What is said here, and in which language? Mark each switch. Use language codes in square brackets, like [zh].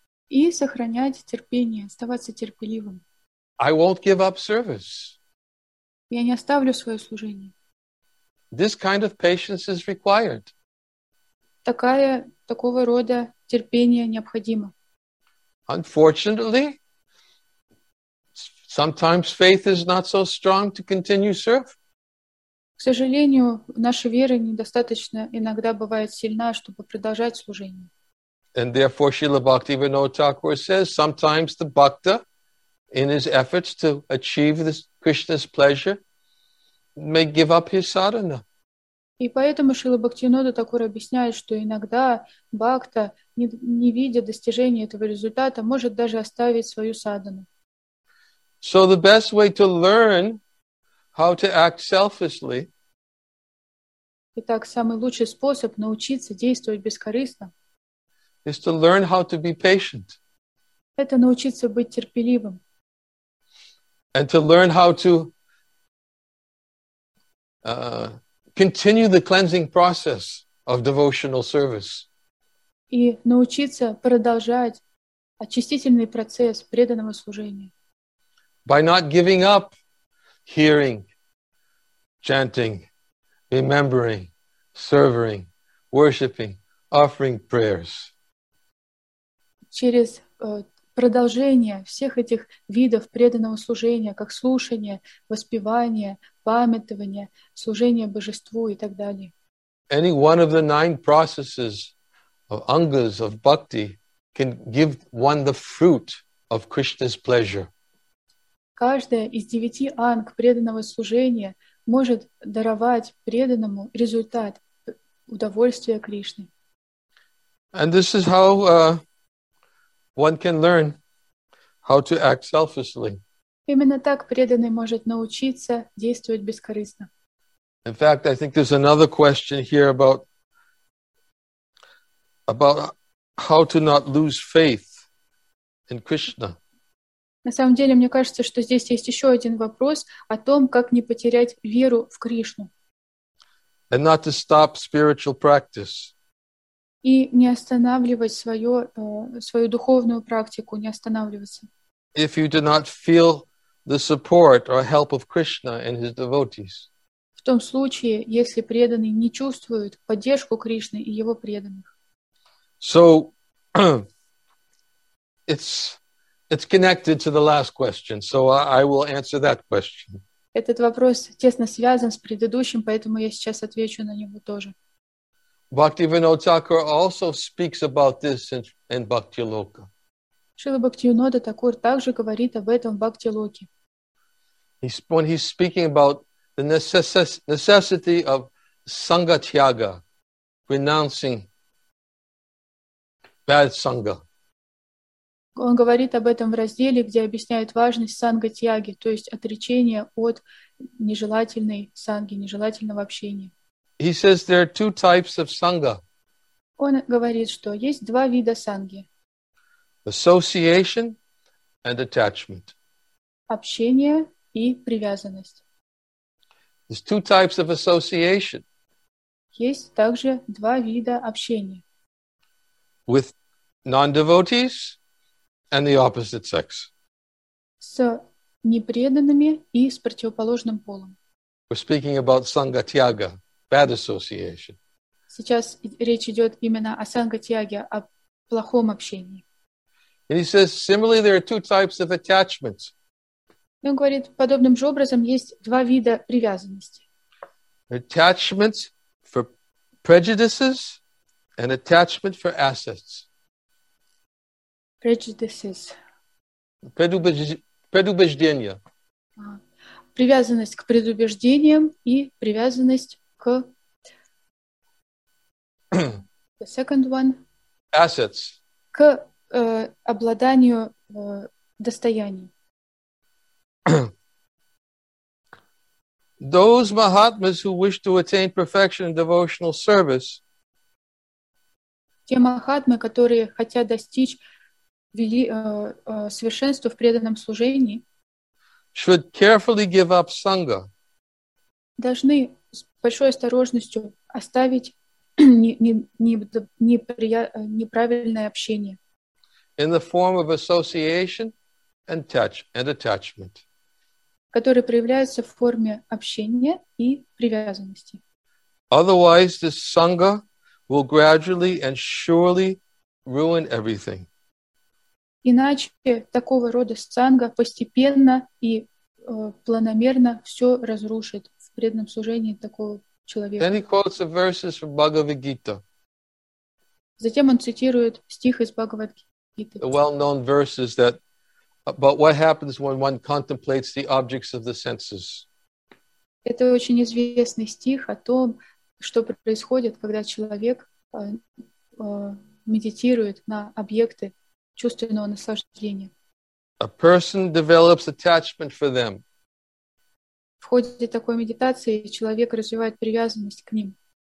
[ru] И сохранять терпение, оставаться терпеливым. [en] I won't give up service. [ru] Я не оставлю свое служение. [en] This kind of patience is required. [ru] Такого рода терпение необходимо. [en] Unfortunately, sometimes faith is not so strong to continue serve. [ru] К сожалению, наша вера недостаточно иногда бывает сильна, чтобы продолжать служение. [en] And therefore, Srila Bhaktivinoda Thakur says, sometimes the bhakta, in his efforts to achieve this Krishna's pleasure, may give up his sadhana. [ru] И поэтому Шрила Бхактивинода Такур объясняет, что иногда бхакта, не видя достижения этого результата, может даже оставить свою садхану. [en] So the best way to learn how to act selfishly, [ru] итак, самый лучший способ научиться действовать бескорыстно, [en] is to learn how to be patient. [ru] Это научиться быть терпеливым. [en] And to learn how to continue the cleansing process of devotional service. [ru] И научиться продолжать очистительный процесс преданного служения. [en] By not giving up hearing, chanting, remembering, serving, worshipping, offering prayers. [ru] Через продолжение всех этих видов преданного служения, как слушание, воспевание, памятование, служение божеству и так далее. [en] Any one of the nine processes of angas of bhakti can give one the fruit of Krishna's pleasure. [ru] Каждая из девяти анг преданного служения может даровать преданному результат удовольствия Кришны. [en] And this is how one can learn how to act selfishly. [ru] Именно так преданный может научиться действовать бескорыстно. [en] In fact, I think there's another question here about how to not lose faith in Krishna. [ru] На самом деле, мне кажется, что здесь есть еще один вопрос о том, как не потерять веру в Кришну. [en] And not to stop spiritual practice. [ru] И не останавливать свое, свою духовную практику, не останавливаться. [en] If you do not feel the support or help of Krishna and his devotees. [ru] В том случае, если преданный не чувствует поддержку Кришны и его преданных. [en] So, it's connected to the last question, so I will answer that question. [ru] Этот вопрос тесно связан с предыдущим, поэтому я сейчас отвечу на него тоже. [en] Bhaktivinoda Thakur also speaks about this in Bhakti Loka. [ru] Шрила Бхактивинода Такур также говорит об этом в Бхакти Локе. [en] When he's speaking about the necessity of sangha tyaga, renouncing bad sangha. [ru] Он говорит об этом в разделе, где объясняет важность санга тьяги, то есть отречение от нежелательной санги, нежелательного общения. [en] He says there are two types of sangha. [ru] Он говорит, что есть два вида санги. [en] Association and attachment. [ru] Общение и привязанность. [en] There's two types of association. [ru] Есть также два вида общения. [en] With non-devotees and the opposite sex. [ru] С непреданными и с противоположным полом. [en] We're speaking about sangha tyaga, bad association. [ru] Сейчас речь идет именно о санга тьяге, о плохом общении. [en] And he says, similarly, there are two types of attachments. [ru] И он говорит, подобным же образом есть два вида привязанности. [en] Attachments for prejudices and attachment for assets. Prejudices. [ru] Предубеждения. Привязанность к предубеждениям и привязанность к... [en] The second one. Assets. [ru] К... обладанию достоянием. [en] Those Mahatmas who wish to attain perfection in devotional service. [ru] Те Махатмы, которые хотят достичь совершенства в преданном служении, [en] should carefully give up sangha. [ru] Должны с большой осторожностью оставить неправильное общение. [en] In the form of association and touch and attachment. [ru] Которые проявляются в форме общения и привязанности. [en] Otherwise, this sangha will gradually and surely ruin everything. [ru] Иначе такого рода санга постепенно и планомерно все разрушит в преданном служении такого человека. [en] Then he quotes the verses from Bhagavad Gita. [ru] Затем он цитирует стих из Бхагавад Гиты. [en] The well-known verses that about what happens when one contemplates the objects of the senses. [ru] Это очень известный стих о том, что происходит, когда человек медитирует на объекты чувственного наслаждения. [en] A person develops attachment for them. [ru] В ходе такой медитации человек развивает привязанность к ним.